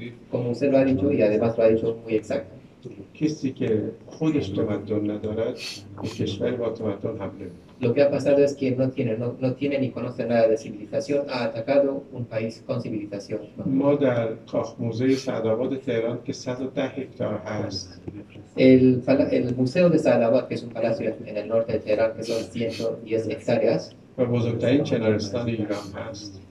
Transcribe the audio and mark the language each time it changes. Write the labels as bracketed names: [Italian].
[Spanish] Como usted lo ha dicho y además lo ha dicho muy exacto. [Persian] کسی که خودش تمدن ندارد به کشور با تمدن حمله می‌کند. [Spanish] Lo que ha pasado es que no tiene ni conoce nada de civilización, ha atacado un país con civilización. [Persian] ما در کاخ موزه سعدآباد تهران که 110 هکتار هست. [Spanish] El museo de Sadabad, que es un palacio en el norte de Teherán, que son 110 hectáreas. [Persian] و بزرگترین چنارستان ایران هست.